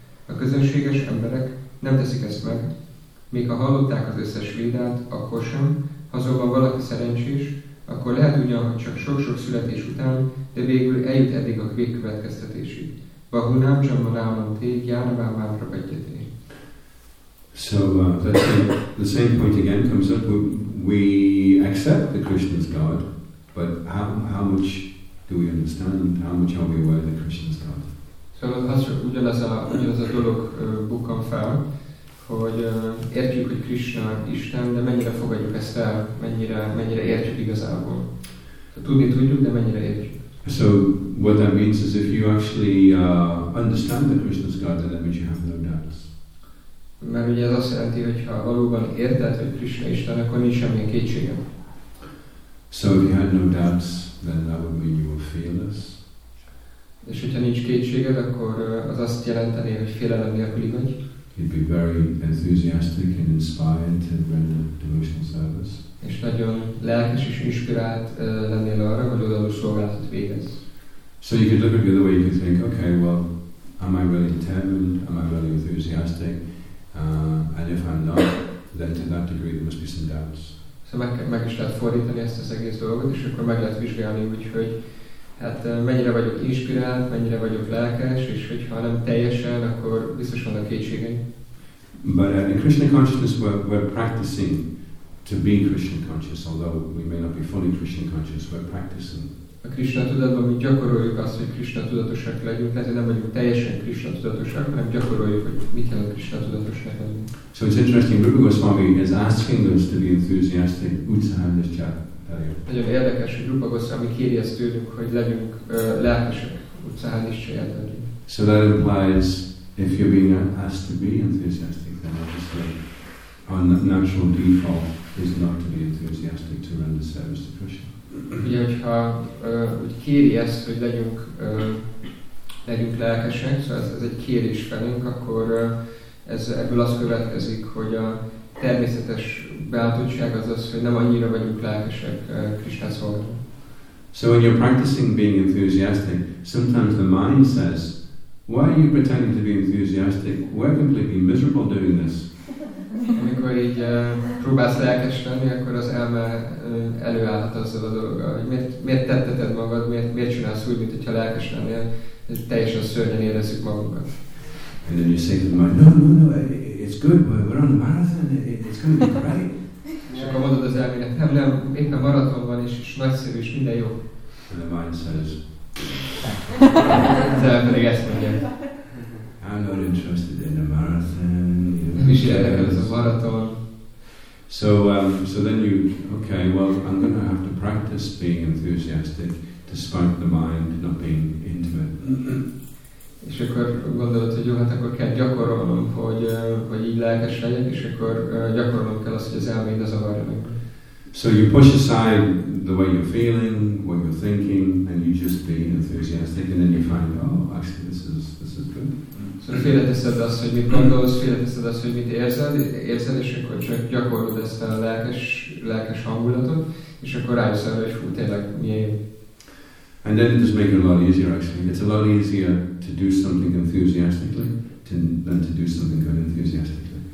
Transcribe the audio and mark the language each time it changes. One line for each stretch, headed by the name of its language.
Hungarian: A közönséges emberek nem teszik ezt meg, még ha hallották az összes védát, akkor sem, ha azonban valaki szerencsés, akkor lehet ugyan, hogy csak sok-sok születés után, de végül eljut eddig a végkövetkeztetésig.
Sanskrit: Bahunám csambanámam tég, járnabám mámra begyeté.
English: So the same point again comes up. We accept that Krishna is God, but how much do we understand? How much are we aware that Krishna is God? So that's
Hungarian: ugyanaz a dolog bukkan fel, hogy értjük, hogy Krishna Isten, de mennyire fogadjuk ezt el, mennyire értjük igazából. Tudni tudjuk, de mennyire értjük.
English: So what that means is if you actually understand that Krishna is God, then that means you have no doubts.
Hungarian: Mert ugye ez azt jelenti, hogyha valóban érted, hogy Krisna Isten, akkor nincs semmi kétsége.
English: So if you had no doubts, then that would mean you were fearless.
Hungarian: És hogyha nincs kétséged, akkor az azt jelenteni, hogy félelem nélküli vagy.
English: You'd be very enthusiastic and inspired to render devotional service.
Hungarian: És nagyon lelkes és inspirált lennél arra, hogy odaadó szolgálatot végezz.
English: So you could look at the other way, you could think, okay, well, am I really determined? Am I really enthusiastic? And if I'm not, then to that degree there must be some doubts.
Hungarian: So meg is lehet fordítani ezt az egész dolgot, és akkor meg lehet vizsgálni úgy, hogy hát mennyire vagyok inspirált, mennyire vagyok lelkes, és hogyha nem teljesen, akkor biztos van a kétségeim.
English: But in Krishna consciousness we're practicing to be Krishna conscious, although we may not be fully Krishna conscious, we're practicing.
Hungarian: A Krishna tudatban mi gyakoroljuk azt, hogy Krishna tudatosak legyünk, ezért nem vagyunk teljesen Krishna tudatosak, hanem gyakoroljuk, hogy mit jelent Krishna tudatosnak lenni.
English: So it's interesting, Rupa Goswami is asking us to be enthusiastic, utsahandaschat.
Hungarian: Nagyon érdekes, hogy Rupa Goswami kéri ezt tőlünk, hogy legyünk lelkesek, utsahandaschat.
English: So that implies, if you're being asked to be enthusiastic, then obviously our natural default is not to be enthusiastic, to render service to Krishna.
Hungarian: Ugye, hogyha úgy kéri ezt, hogy legyünk, legyünk lelkesek, szóval ez egy kérés felünk, akkor ebből az következik, hogy a természetes beállítottság az az, hogy nem annyira vagyunk lelkesek Krisztán szolgálatban.
English: So when you're practicing being enthusiastic, sometimes the mind says, why are you pretending to be enthusiastic? We're completely miserable doing this.
Hungarian: Amikor így próbálsz lelkes lenni, akkor az elme előállhat azzal a dolga, hogy miért tetteted magad, miért csinálsz úgy, mintha lelkes lennél, és teljesen szörnyen érezzük magunkat.
English: And then you say to the mind, no, it's good, we're on the marathon, it's going to be great.
Hungarian: És akkor mondod az elmének, nem, itt a maraton van, és nagyszerű, és minden jó.
English: And the mind says,
Hungarian: az elme pedig ezt mondja.
English: I'm not interested in a marathon.
Hungarian: Nem is érdekel ez a maraton.
English: So then you, okay, well, I'm going to have to practice being enthusiastic despite the mind not being into it.
Hungarian: És akkor gondolod, hogy jó, hát akkor kell gyakorolnom, hogy így lelkes legyek, és akkor gyakorolnom kell azt, hogy az elmény ne zavarja meg.
English: So you push aside the way you're feeling, what you're thinking, and you just be enthusiastic, and then you find, oh, actually this is good.
Hungarian: So félreteszed azt, hogy mit gondolsz, félreteszed azt, hogy mit érzed, és akkor csak gyakorlod ezt a lelkes hangulatot, és akkor rájössz arra, hogy tényleg milyen jó.
English: And then it does make it a lot easier, actually. It's a lot easier to do something enthusiastically than to do something unenthusiastically.